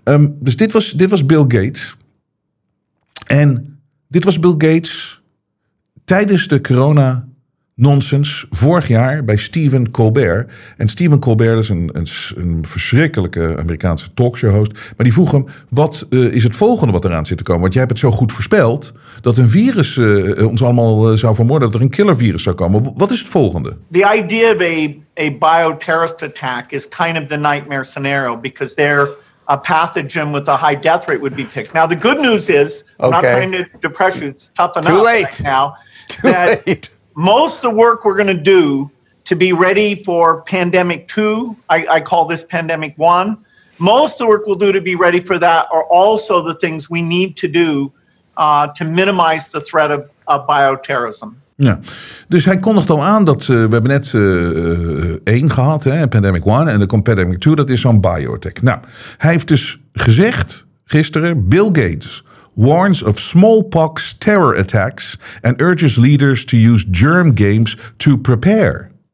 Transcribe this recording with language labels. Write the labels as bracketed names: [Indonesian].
[Dutch] Dus dit was Bill Gates. En dit was Bill Gates tijdens de corona nonsens vorig jaar bij Stephen Colbert. En Stephen Colbert is een verschrikkelijke Amerikaanse talkshow host. Maar die vroeg hem, wat is het volgende wat eraan zit te komen? Want jij hebt het zo goed voorspeld dat een virus ons allemaal zou vermoorden, dat er een killervirus zou komen. Wat is het volgende? [English] The idea of a bioterrorist attack is kind of the nightmare scenario, because there a pathogen with a high death rate would be picked. Now the good news is, okay, I'm not trying to depress you, it's tough enough too late right now. Too late. Most of the work we're going to do to be ready for pandemic two. I call this pandemic one. Most of the work we'll do to be ready for that are also the things we need to do to minimize the threat of bioterrorism. [Dutch] Ja, dus hij kondigt al aan dat we hebben net één gehad, hè, [English] pandemic one, [Dutch] en dan komt [English] pandemic two, [Dutch] dat is zo'n biotech. Nou, hij heeft dus gezegd gisteren, [English] Bill Gates warns of smallpox terror attacks and urges leaders to use germ games to prepare.